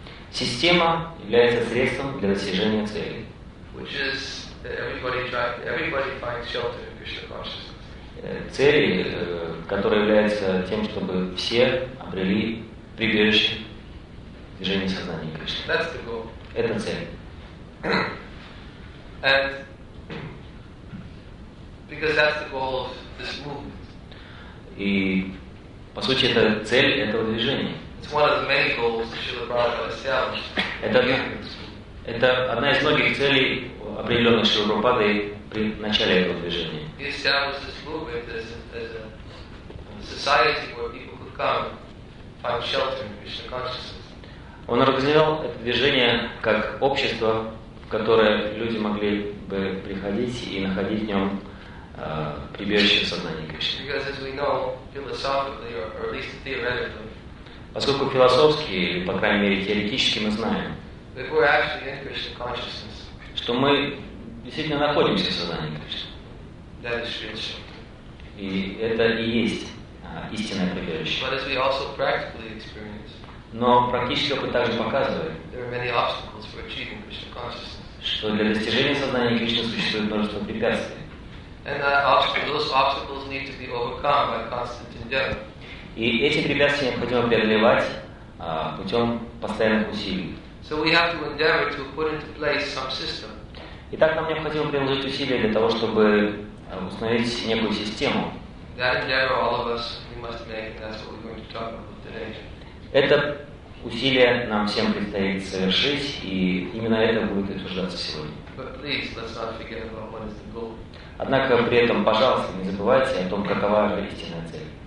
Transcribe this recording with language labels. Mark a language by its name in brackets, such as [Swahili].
[Russian] Система является средством для достижения цели. [English] Which is that everybody finds shelter in Krishna consciousness. [Russian] Цель, которая является тем, чтобы все обрели прибежище в движении сознания Кришны. [English] That's the goal. [Russian] Это цель. [English] And because that's the goal of this movement. [Russian] И, по сути, это цель этого движения. [English] It's one of the many goals that Srila Prabhupada established. [Russian] Это одна из многих целей, определенных Шрила Прабхупадой при начале этого движения. [English] He established this movement as a society where people could come and find shelter in Krishna consciousness. [Russian] Он организовал это движение как общество, в которое люди могли бы приходить и находить в нем прибежище в сознании Кришны. [English] Because, as we know, philosophically, or at least theoretically, [Russian] поскольку философски, или, по крайней мере, теоретически, мы знаем, [English] that we're actually in Krishna consciousness, [Russian] что мы действительно находимся в сознании Кришны. [English] That is true. [Russian] И это и есть истинное прибежище. [English] But as we also practically experience, [Russian] но практически опыт также показывает, [English] there are many obstacles for achieving Krishna consciousness, [Russian] что для достижения сознания Кришны существует множество препятствий. [English] And that those obstacles need to be overcome by constant endeavor. [Russian] И эти препятствия необходимо преодолевать путем постоянных усилий. [English] So we have to endeavor to put into place some system. [Russian] Итак, нам необходимо приложить усилия для того, чтобы установить некую систему. [English] That endeavor all of us we must make, and that's what we're going to talk about today. [Russian] Это усилие нам всем предстоит совершить, и именно это будет обсуждаться сегодня. [English] But please, let's not forget about what is the goal. [Russian] Однако при этом, пожалуйста, не забывайте о том, какова же истинная цель.